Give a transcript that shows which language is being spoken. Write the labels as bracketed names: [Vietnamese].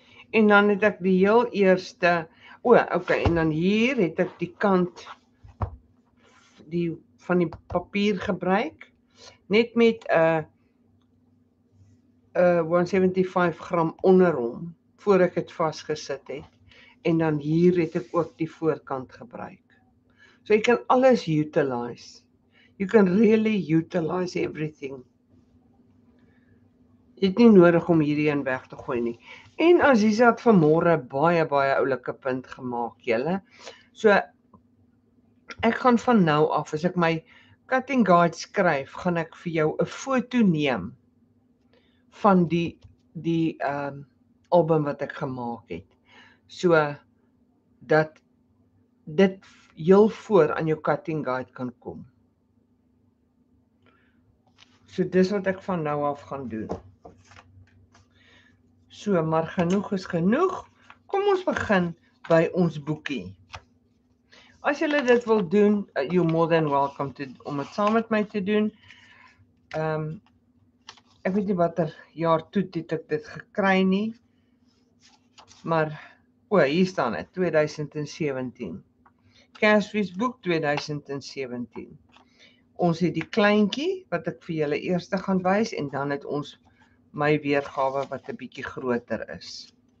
[Afrikaans] En dan het ek die heel eerste, en dan hier het ek die kant van die papier gebruik, net met 175 gram onder hom, voor ek het vastgesit het, en dan hier het ek ook die voorkant gebruik. So jy kan alles utilize, [English] you can really utilize everything. [Afrikaans] Jy het nie nodig om hierdie een weg te gooi nie. En Aziza het vanmorgen baie, baie oulike punt gemaak, jylle. So, ek gaan van nou af, as ek my cutting guide skryf, gaan ek vir jou 'n foto neem van die album wat ek gemaak het. So, dat dit heel voor aan jou cutting guide kan kom. So, dis wat ek van nou af gaan doen. So, maar genoeg is genoeg. Kom ons begin by ons boekie. As julle dit wil doen, [English] you're more than welcome [Afrikaans] om het saam met my te doen. Ek weet nie wat jaar toe het ek dit gekry nie. Maar, hier staan het, 2017. Kersfees boek 2017. Ons het die kleintjie, wat ek vir julle eerste gaan wys, en dan het ons my weergawe wat 'n bietjie groter is.